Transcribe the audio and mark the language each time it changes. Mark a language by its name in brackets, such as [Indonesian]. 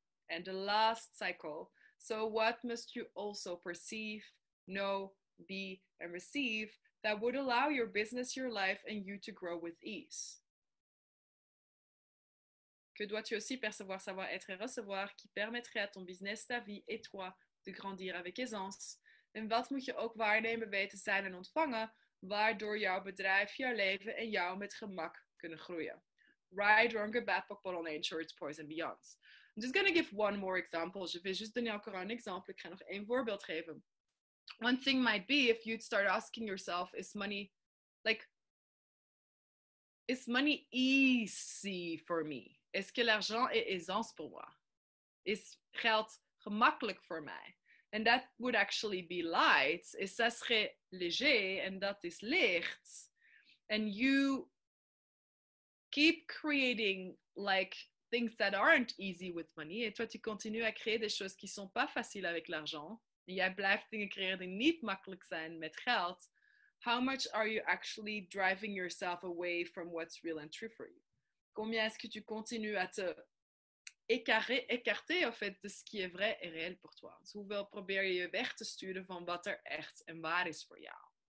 [English] And the last cycle. So what must you also perceive, know, be and receive that would allow your business, your life and you to grow with ease? [French] Que dois-tu aussi percevoir, savoir, être et recevoir qui permettrait à ton business, ta vie et toi de grandir avec aisance? [Dutch] En wat moet je ook waarnemen, weten, zijn en ontvangen, waardoor jouw bedrijf, jouw leven en jou met gemak kunnen groeien? [English] Ride, wrong, good, bad, pop, bottle, insurance, poison, beyond. I'm just going to give one more example. [French] Je vais juste donner encore un exemple. [Dutch] Ik ga nog één voorbeeld geven. [English] One thing might be if you'd start asking yourself, is money easy for me? [French] Est-ce que l'argent est aisance pour moi? [Dutch] Is geld gemakkelijk voor mij? [English] And that would actually be light. [French] Et ça serait léger. [English] And that is licht. And you keep creating like things that aren't easy with money. [French] Et toi, tu continues à créer des choses qui ne sont pas faciles avec l'argent. [Dutch] Et jij blijft dingen creëren die niet makkelijk zijn met geld. [English] How much are you actually driving yourself away from what's real and true for you? [French] Combien est-ce que tu continues à te écarter en fait, de ce qui est vrai et réel pour toi? [Dutch] Dus hoeveel probeer je je weg te sturen van wat er echt en waar is voor jou?